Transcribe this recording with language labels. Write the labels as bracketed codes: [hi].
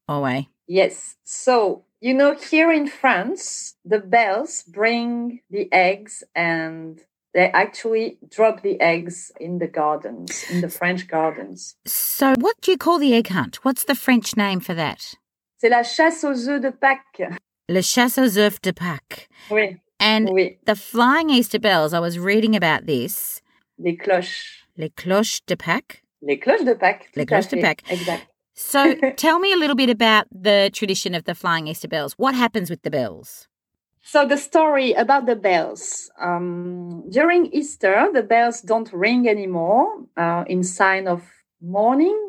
[en] Oh, way. Yes. So, you know, here in France, the bells bring the eggs and they actually drop the eggs in the gardens, in the French gardens. So what do you call the egg hunt? What's the French name for that? [fr] C'est la chasse aux œufs de Pâques. Le chasse aux œufs de Pâques. Oui. [en] And [fr] oui. [en] The flying Easter bells, I was reading about this. [fr] Les cloches. Les cloches de Pâques. Les cloches de Pâques. Les cloches de Pâques. [en] Exactly. So tell me a little bit about the tradition of the flying Easter bells. What happens with the bells? So the story about the bells. During Easter, the bells don't ring anymore in sign of mourning.